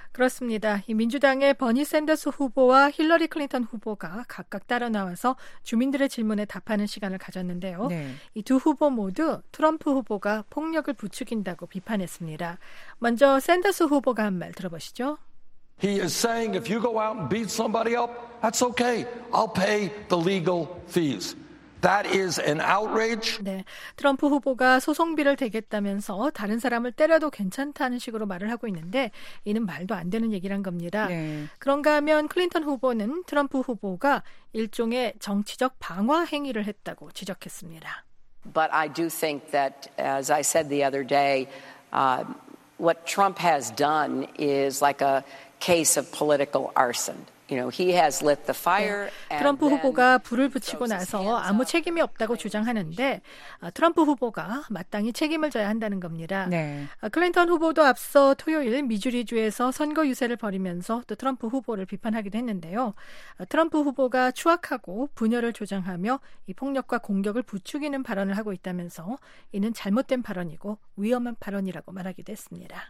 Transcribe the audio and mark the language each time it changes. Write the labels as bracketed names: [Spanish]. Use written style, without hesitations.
[Korean] 그렇습니다. 이 민주당의 버니 샌더스 후보와 힐러리 클린턴 후보가 각각 따라 나와서 주민들의 질문에 답하는 시간을 가졌는데요. 네. 이 두 후보 모두 트럼프 후보가 폭력을 부추긴다고 비판했습니다. 먼저 샌더스 후보가 한 말 들어보시죠. [English] He is saying if you go out and beat somebody up, that's okay. I'll pay the legal fees. That is an outrage. [Korean] 네, 트럼프 후보가 소송비를 대겠다면서 다른 사람을 때려도 괜찮다는 식으로 말을 하고 있는데 이는 말도 안 되는 얘기란 겁니다. 네. 그런가 하면 클린턴 후보는 트럼프 후보가 일종의 정치적 방화 행위를 했다고 지적했습니다. [English] But I do think that, as I said the other day, what Trump has done is like a case of political arson. You know, he has lit the fire. [Korean] 트럼프 후보가 불을 붙이고 나서 아무 책임이 없다고 주장하는데 트럼프 후보가 마땅히 책임을 져야 한다는 겁니다. 네. 클린턴 후보도 앞서 토요일 미주리주에서 선거 유세를 벌이면서 또 트럼프 후보를 비판하기도 했는데요. 트럼프 후보가 추악하고 분열을 조장하며 이 폭력과 공격을 부추기는 발언을 하고 있다면서 이는 잘못된 발언이고 위험한 발언이라고 말하기도 했습니다.